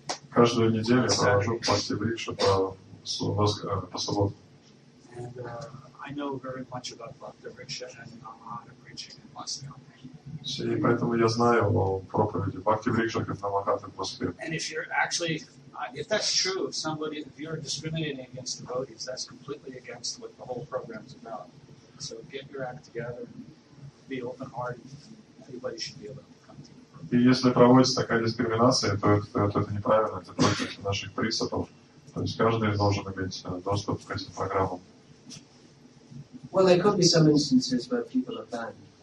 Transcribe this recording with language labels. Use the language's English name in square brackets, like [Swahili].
[Russian] Каждую неделю я провожу бхакти викшу по по субботу. [English] And I know very much about Bhakti Riksha and Namahata preaching in Moscow. [Russian] И поэтому я знаю о проповеди Бхакти Врикша как Намахаты Москве. [English] And if you're actually, if that's true, if somebody, if you're discriminating against devotees, that's completely against what the whole program's about. So get your act together, be open-hearted, everybody should be able to come to the program. [Russian] И если проводится такая дискриминация, то это неправильно, это против наших принципов. То есть каждый должен иметь доступ к этим программам. [English] Well, there could be some instances where people are banned.